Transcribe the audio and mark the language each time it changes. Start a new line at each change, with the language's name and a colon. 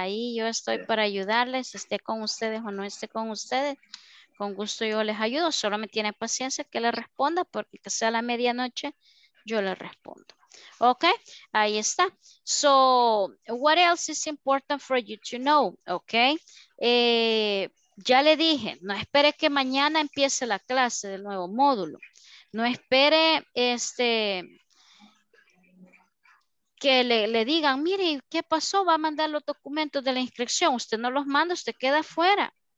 Spanish: Ahí yo estoy para ayudarles, esté con ustedes o no esté con ustedes. Con gusto yo les ayudo, solo me tiene paciencia que le responda, porque que sea la medianoche, yo le respondo. Ok, ahí está.
English: So, what else is important for you to know?
Spanish: Ok, ya le dije, no espere que mañana empiece la clase del nuevo módulo. No espere que le digan, mire, ¿qué pasó? Va a mandar los documentos de la inscripción. Usted no los manda, usted queda fuera.